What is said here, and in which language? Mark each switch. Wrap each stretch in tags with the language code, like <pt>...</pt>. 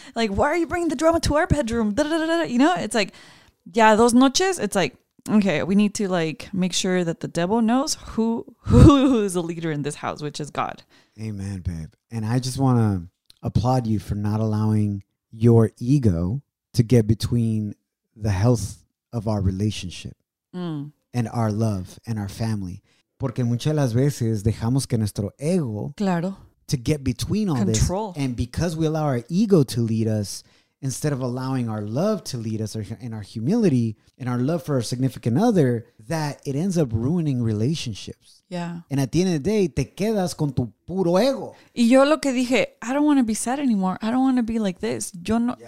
<en>Like, why are you bringing the drama to our bedroom? Da-da-da-da-da. You know, it's like, yeah, those</en> <es>noches,</es> <en>it's like, okay, we need to like make sure that the devil knows who is the leader in this house, which is God. Amen, babe. And I just want to applaud you for not allowing your ego to get between the health of our relationship and our love and our family.</en> <es>Porque muchas las veces dejamos que nuestro ego</es> <en>to get between all control. This. And because we allow our ego to lead us, instead of allowing our love to lead us and our humility and our love for our significant other, that it ends up ruining relationships. Yeah. And at the end of the day,</en> <es>te quedas con tu puro ego. Y yo lo que dije,</es> <en>I don't want to be sad anymore. I don't want to be like this.</en> <es>Yo no,</es> <en>yeah.</en>